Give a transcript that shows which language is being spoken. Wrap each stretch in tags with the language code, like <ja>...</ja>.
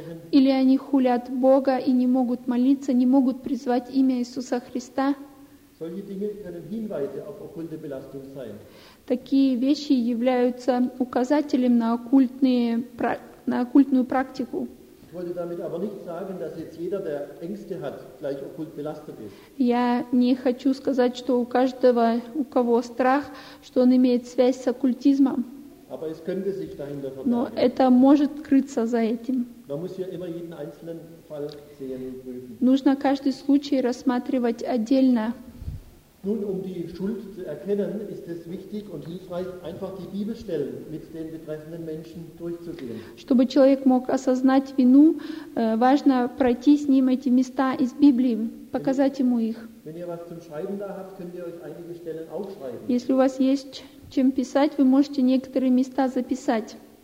<ru>Или они хулят Бога и не могут молиться, не могут призвать имя Иисуса Христа.</ru> <de>Solche Dinge können Hinweise auf okkulte Belastung sein.</de> <ru>Такие вещи являются указателем на оккультную практику.</ru> <de>Ich wollte damit aber nicht sagen, dass jetzt jeder, der Ängste hat, gleich okkult belastet ist.</de> <ru>Я не хочу сказать, что у каждого, у кого страх, что он имеет связь с оккультизмом.</ru> <de>Aber es könnte sich dahinter verbergen.</de> <ru>Но это может крыться за этим.</ru> <de>Man muss hier immer jeden einzelnen Fall sehen und prüfen.</de> <ru>Нужно каждый случай рассматривать отдельно.</ru> <de>Nun, um die Schuld zu erkennen, ist es wichtig und hilfreich, einfach die Bibelstellen mit den betreffenden Menschen durchzugehen.</de> <ru>Чтобы человек мог осознать вину, важно пройти с ним эти места из Библии, показать ему их.</ru> <de>Wenn ihr was zum Schreiben da habt, könnt ihr euch einige Stellen aufschreiben.</de> <ru>Если у вас есть чем писать, вы можете некоторые места записать.</ru>